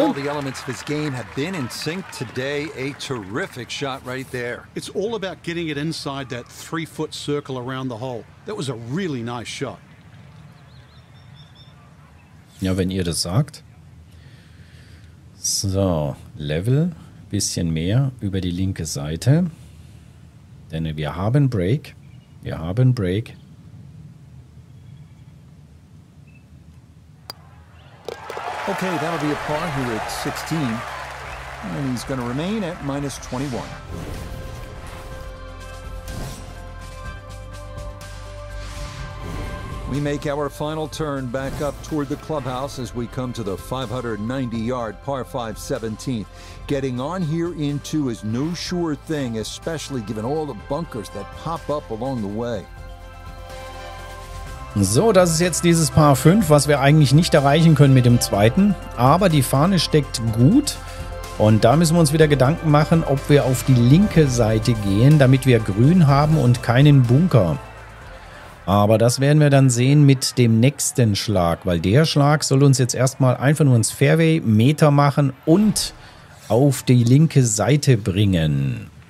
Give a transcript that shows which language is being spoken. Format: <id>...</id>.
<en>All the elements of his game have been in sync today. A terrific shot right there. It's all about getting it inside that 3-foot circle around the hole. That was a really nice shot.</en> <de>Ja, wenn ihr das sagt. So, Level, bisschen mehr über die linke Seite. Denn wir haben Break. Wir haben Break.</de> <en>Okay, that'll be a par here at 16. And he's going to remain at minus 21. We make our final turn back up toward the clubhouse as we come to the 590-yard par 5 17th. Getting on here in two is no sure thing, especially given all the bunkers that pop up along the way.</en> <de>So, das ist jetzt dieses Par 5, was wir eigentlich nicht erreichen können mit dem zweiten. Aber die Fahne steckt gut und da müssen wir uns wieder Gedanken machen, ob wir auf die linke Seite gehen, damit wir grün haben und keinen Bunker. Aber das werden wir dann sehen mit dem nächsten Schlag, weil der Schlag soll uns jetzt erstmal einfach nur ins Fairway Meter machen und auf die linke Seite bringen.</de>